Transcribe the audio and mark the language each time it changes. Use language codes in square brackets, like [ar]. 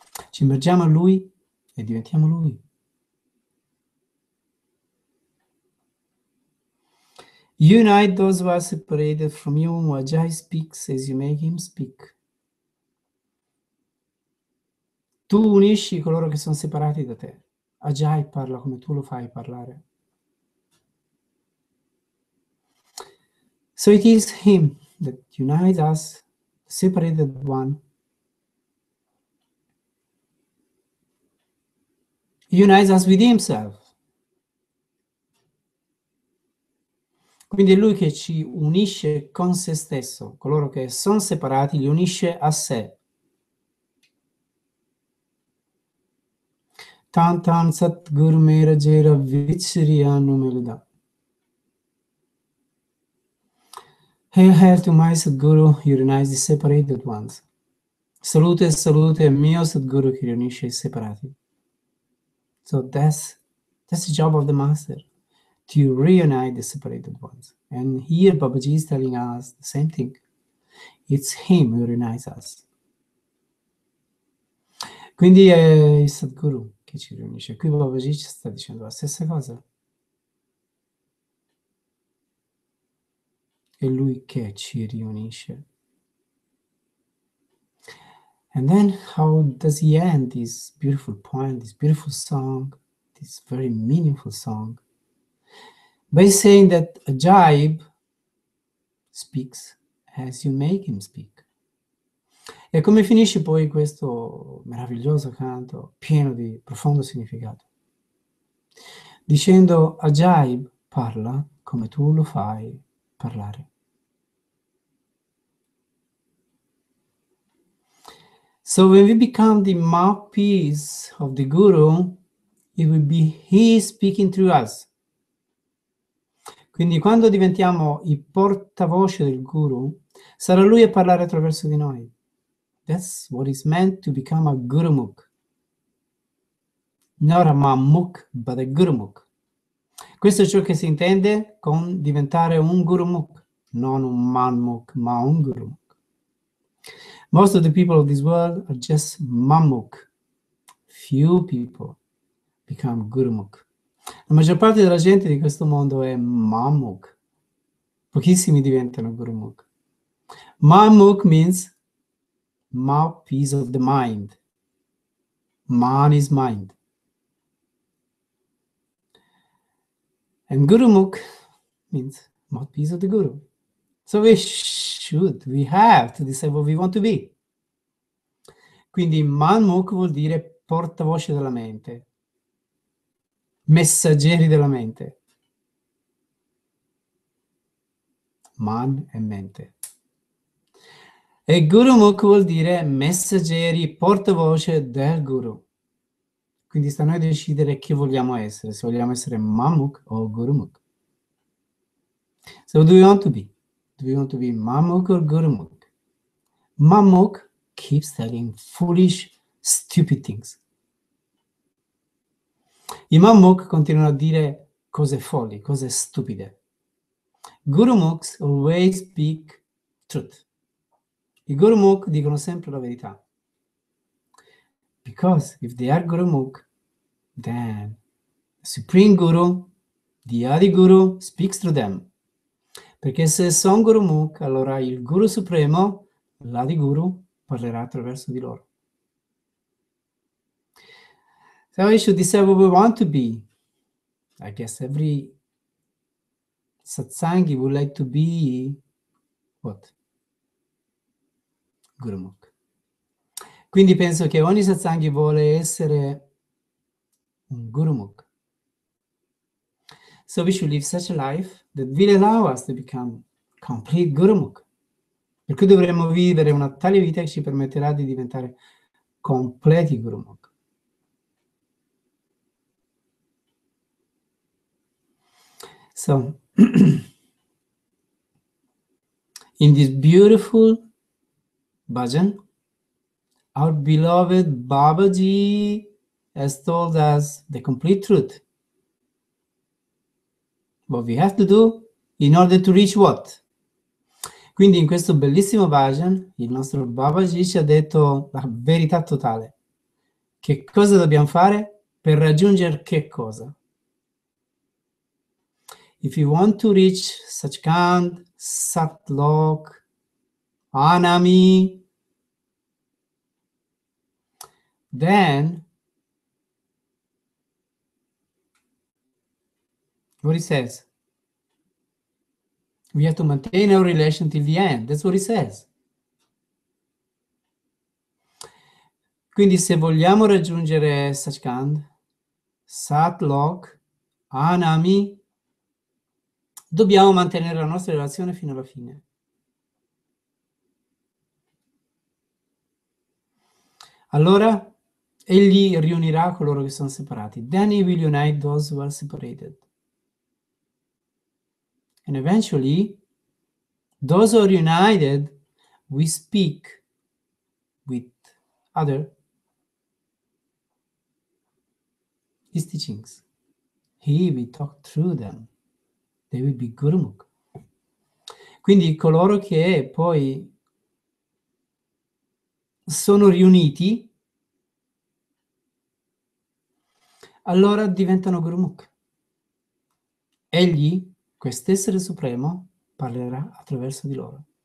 [it] Ci immergiamo a lui e diventiamo lui. [en] Unite those who are separated from you, Wajai speaks as you make him speak. [it] Tu unisci coloro che sono separati da te. Ajai parla come tu lo fai parlare. [en] So it is him that unites us, separated one. He unites us with himself. [it] Quindi è lui che ci unisce con se stesso. Coloro che sono separati li unisce a sé. [pa] Tan tan Satguru mera jera vichriya numelda. [en] Hail, hail to my Sadguru, who unites the separated ones. [it] Salute, salute, mio Sadguru, che riunisce i separati. [en] So that's the job of the master, to reunite the separated ones. And here Babaji is telling us the same thing. It's him who unites us. [it] Quindi è il Sadguru che ci riunisce. Qui Babaji ci sta dicendo la stessa cosa. È lui che ci riunisce. [en] And then how does he end this beautiful poem, this beautiful song, this very meaningful song? By saying that Ajaib speaks as you make him speak. [it] E come finisce poi questo meraviglioso canto pieno di profondo significato? Dicendo Ajaib parla come tu lo fai parlare. [en] So when we become the mouthpiece of the Guru, it will be he speaking through us. [it] Quindi quando diventiamo il portavoce del Guru, sarà lui a parlare attraverso di noi. [en] That's what is meant to become a Gurumukh. Not a mammukh, but a Gurumukh. [it] Questo è ciò che si intende con diventare un Gurumukh. Non un mammukh, ma un Gurumukh. [en] Most of the people of this world are just mammukh. Few people become gurumukh. [it] La maggior parte della gente di questo mondo è mammukh. Pochissimi diventano gurumukh. [en] Mammukh means mouthpiece of the mind. Man is mind. And gurumukh means mouthpiece of the guru. So we have to decide what we want to be. [it] Quindi mammukh vuol dire portavoce della mente, messaggeri della mente. Man è mente. E gurumukh vuol dire messaggeri, portavoce del guru. Quindi sta a noi decidere chi vogliamo essere, se vogliamo essere mammukh o gurumukh. [en] So do you want to be? Do you want to be Mamuk or Gurumuk? Mamuk keeps telling foolish, stupid things. [it] I Mamuk continue a dire cose folli, cose stupide. [en] Gurumuks always speak truth. [it] I Gurumuk dicono sempre la verità. [en] Because if they are Gurumuk, then Supreme Guru, the Adi Guru, speaks through them. [it] Perché se sono Gurumuk, allora il Guru Supremo, l'Adi Guru, parlerà attraverso di loro. [en] So we should decide what we want to be. I guess every satsangi would like to be what? Gurumuk. [it] Quindi penso che ogni satsangi vuole essere un Gurumuk. [en] So we should live such a life that will allow us to become complete Gurumuk. [it] Per cui dovremmo vivere una tale vita che ci permetterà di diventare completi Gurumuk. [en] So, in this beautiful bhajan, our beloved Babaji has told us the complete truth. What we have to do in order to reach what? [it] Quindi in questo bellissimo bhajan, il nostro Babaji ci ha detto la verità totale. Che cosa dobbiamo fare per raggiungere che cosa? [en] If you want to reach Satchkand, Satlok, Anami, then what he says? We have to maintain our relation till the end. That's what he says. [it] Quindi se vogliamo raggiungere Satchkand, Satlok, Anami, dobbiamo mantenere la nostra relazione fino alla fine. Allora, egli riunirà coloro che sono separati. [en] Then he will unite those who are separated. And eventually, those who are united, we speak with other his teachings. He will talk through them. They will be Gurumuk. [it] Quindi coloro che poi sono riuniti, allora diventano Gurumuk. Egli, quest'essere supremo, parlerà attraverso di loro.